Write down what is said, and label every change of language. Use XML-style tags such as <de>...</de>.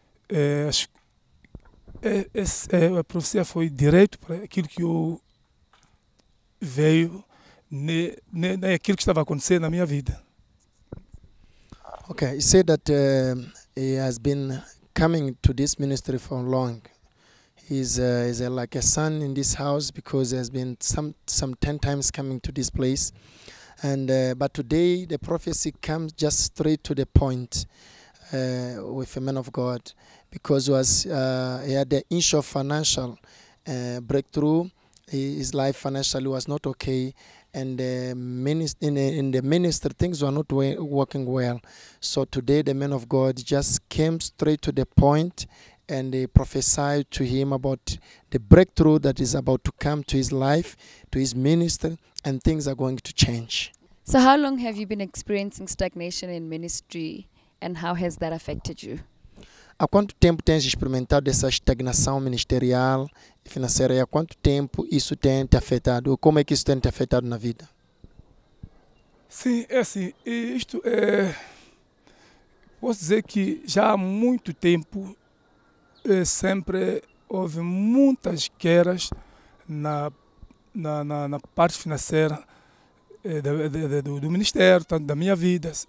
<pt>A profecia foi direto para aquilo que eu veio, naquilo que estava acontecendo na minha vida.</pt> <en>Okay, he said that he has been coming to this ministry for long. He's like a son in this house because he has been some 10 times coming to this place. And but today the prophecy comes just straight to the point with a man of God, because he had the issue of financial breakthrough. His life financially was not okay, and in the ministry things were not working well. So today the man of God just came straight to the point and prophesied to him about the breakthrough that is about to come to his life, to his ministry, and things are going to change. So how long have you been experiencing stagnation in ministry, and how has that affected you?</en> <pt>Há quanto tempo tens experimentado essa estagnação ministerial e financeira? Há quanto tempo isso tem te afetado? Como é que isso tem te afetado na vida? Sim, é assim. Isto é... Posso dizer que já há muito tempo sempre houve muitas quebras na parte financeira do ministério, tanto da minha vida.</pt>